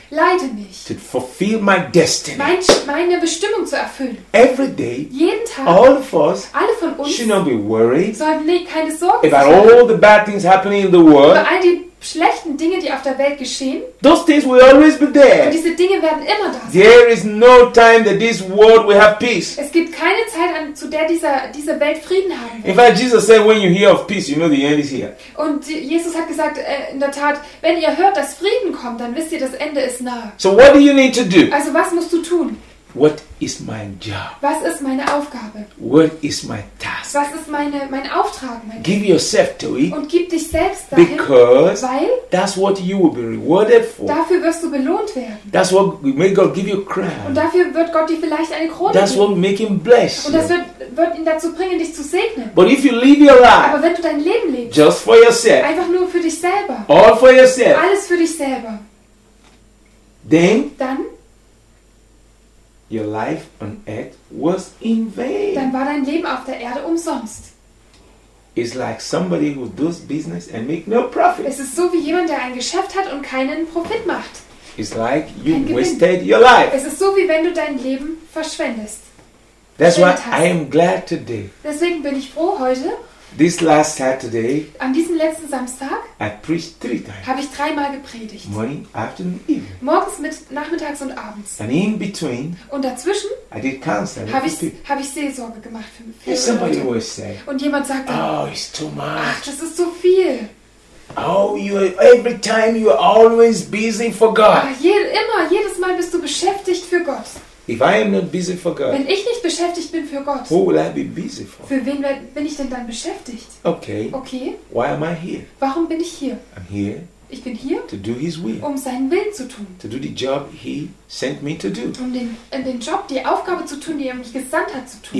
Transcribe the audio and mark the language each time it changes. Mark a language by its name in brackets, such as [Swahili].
[German] Leite mich. [English] To fulfill my destiny. [German] Meine Bestimmung zu erfüllen. [English] Every day. [German] Jeden Tag. [English] All of us. [German] Alle von uns. [English] Should not be worried. [German] Sollten keine Sorgen haben. [English] About all the bad things happening in the world. [German] Über all die schlechten Dinge, die auf der Welt geschehen. [English] Those things will always be there. [German] Und diese Dinge werden immer da sein. [English] There is no time that this world will have peace. [German] Es gibt keine Zeit, zu der diese Welt Frieden haben wird. [English] In fact, Jesus said, when you hear of peace, you know the end is here. [German] Und Jesus hat gesagt, in der Tat, wenn ihr hört, dass Frieden kommt, dann wisst ihr, das Ende ist nahe. [English] So what do you need to do? [German] Also was musst du tun? [English] What is my job? [German] Was ist meine Aufgabe? [English] What is my task? [German] Was ist mein Auftrag? Mein [English] Give yourself to it. [German] Und gib dich selbst dahin. [English] Because [German] weil [English] that's what you will be rewarded for. [German] Dafür wirst du belohnt werden. [English] That's what may God give you crown. [German] Und dafür wird Gott dir vielleicht eine Krone [English] that's [German] geben. [English] That's what make him bless you. [German] Und das wird ihn dazu bringen, dich zu segnen. [English] But if you live your life, [German] aber wenn du dein Leben lebst, [English] just for yourself, [German] einfach nur für dich selber, [English] all for yourself, [German] alles für dich selber, [English] then [German] dann [English] your life on earth was in vain. [German] Dann war dein Leben auf der Erde umsonst. [English] It's like somebody who does business and make no profit. [German] Es ist so wie jemand, der ein Geschäft hat und keinen Profit macht. [English] It's like you wasted your life. [German] Es ist so wie wenn du dein Leben verschwendest. [English] That's why I am glad today. [German] Deswegen bin ich froh heute. [English] This last Saturday, [German] an diesem letzten Samstag, [English] I preached three times. [German] Habe ich dreimal gepredigt. [English] Morning, afternoon, evening. [German] Morgens, nachmittags und abends. [English] And in between, [German] und dazwischen, [English] I did counseling. [German] Habe ich Seelsorge gemacht für [English] somebody always say, [German] und jemand sagte, [English] oh, it's too much. [German] Ach, das ist zu viel. [English] Oh, you every time you are always busy for God. [German] Jedes Mal bist du beschäftigt für Gott. [English] If I am not busy for God, [German] wenn ich nicht beschäftigt bin für Gott, [English] who will I be busy for? [German] Für wen bin ich denn dann beschäftigt? [English] Okay. [German] Okay. [English] Why am I here? [German] Warum bin ich hier? [English] I'm here. [German] Ich bin hier. [English] To do His will. [German] Um seinen Willen zu tun. [English] To do the job He sent me to do. [German] Um den Job, die Aufgabe zu tun, die er mich gesandt hat zu tun.